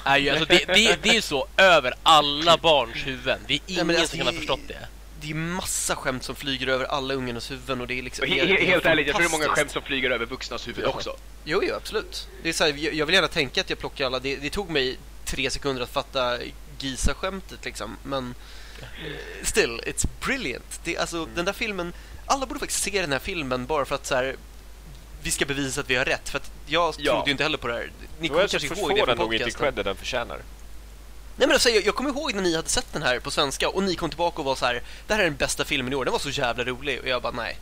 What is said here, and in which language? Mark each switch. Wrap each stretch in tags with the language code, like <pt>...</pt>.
<sv>Är ju, alltså det är så över alla barns huvuden. Det är ingen som kan ha förstått det. Det är massa skämt som flyger över alla ungarnas huvuden. Och det är liksom helt ärligt, jag tror det är många skämt som flyger över vuxnas huvud också. Jo, absolut. Det är så här, jag vill gärna tänka att jag plockar alla. Det tog mig 3 sekunder att fatta Gisa-skämtet liksom.</sv> <en>Men still, it's brilliant.</en> <sv>Det, alltså, den där filmen. Alla borde faktiskt se den här filmen bara för att så här, vi ska bevisa att vi har rätt. För att jag trodde ju inte heller på det här. Ni kommer kanske ihåg det på podcasten. Den nog inte credde den förtjänar. Nej, men alltså, jag kommer ihåg när ni hade sett den här på svenska och ni kom tillbaka och var så här, det här är den bästa filmen i år. Den var så jävla rolig och jag bara nej.</sv>